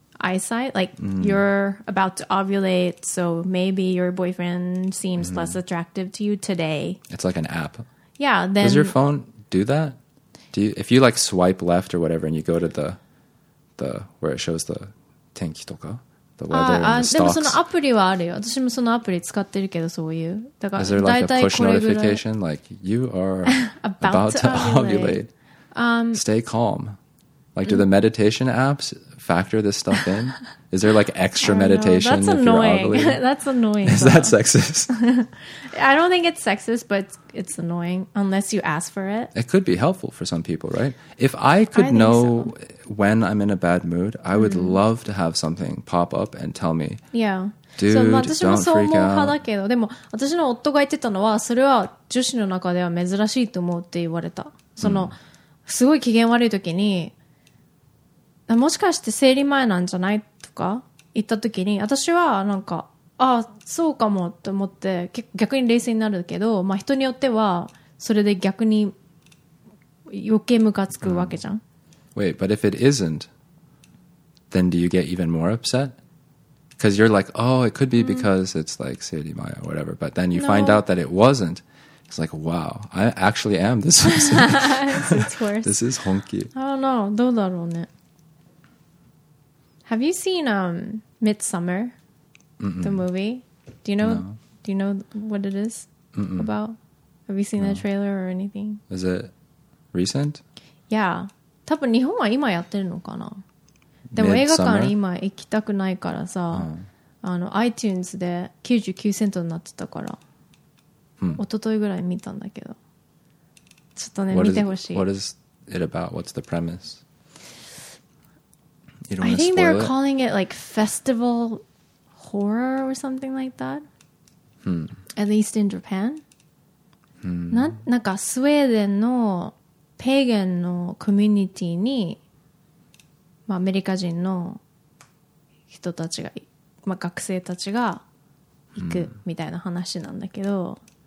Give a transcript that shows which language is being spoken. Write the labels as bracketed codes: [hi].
[en] eyesight, like、mm. you're about to ovulate, so maybe your boyfriend seems、mm. less attractive to you today. It's like an app. Yeah. Then does your phone do that? Do you, if you like swipe left or whatever and you go to the where it shows the [ja] 天気とか [en] the weather and the stocks. [ja] でもそのアプリはあるよ。私もそのアプリ使ってるけど、そういう。だから [en] Is there like a push notification? Like you are about to ovulate. Stay calm. Like, do the meditation apps factor this stuff in? Is there like extra meditation? That's annoying. That's annoying. Is that sexist? I don't think it's sexist, but it's annoying unless you ask for it. It could be helpful for some people, right? If I could know when I'm in a bad mood, I would love to have something pop up and tell me. Yeah. Dude, [ja] そう、私もそう思う派だけど、でも私の夫が言ってたのは、それは女子の中では珍しいと思うって言われた。その、すごい機嫌悪い時に、もしかして生理前なんじゃないとか言った時に、私はなんか、ああ、そうかもって思って、逆に冷静になるけど、まあ人によっては、それで逆に余計ムカつくわけじゃん。 [en] Wait, but if it isn't, then do you get even more upset? Because you're like, oh, it could be because it's like Sadie Maya or whatever. But then you find out that it wasn't. It's like, wow, I actually am this person. It's worse. This is honky. I don't know. [ja] どうだろうね? [en] Have you seen Midsommar, the movie? Do you know, no. Do you know what it is about? Have you seen the trailer or anything? Is it recent? Yeah. [ja] 多分日本は今やってるのかな?でも映画館今行きたくないからさ、あの iTunes で99セントになってたから、一昨日ぐらい見たんだけど、ちょっとね見てほしい。 [en] What is it about? What's the premise? I think they're calling it like festival horror or something like that. At least in Japan. [ja] なんかスウェーデンのペーゲンのコミュニティに。まあ、アメリカ人の人たちが、まあ、学生たちが行くみたいな話なんだけど、